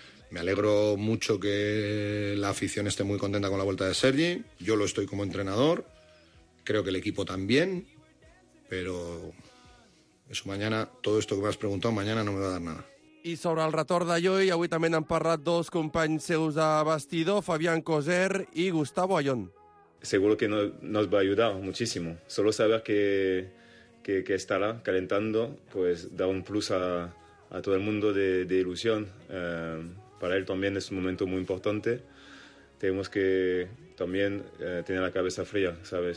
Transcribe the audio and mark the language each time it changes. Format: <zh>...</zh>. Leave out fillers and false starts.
<es>Me alegro mucho que la afición esté muy contenta con la vuelta de Sergi. Yo lo estoy como entrenador. Creo que el equipo también. Pero eso mañana, todo esto que me has preguntado, mañana no me va a dar nada.</es> <ca>I sobre el retorn de Llull, avui també n'han parlat dos companys seus de vestidor, Fabián Coser i Gustavo Ayón.</ca> <es>Seguro que nos va a ayudar muchísimo. Solo saber que estará calentando, pues da un plus a todo el mundo de ilusión. Para él también es un momento muy importante. Tenemos que también tener la cabeza fría, ¿sabes?</es>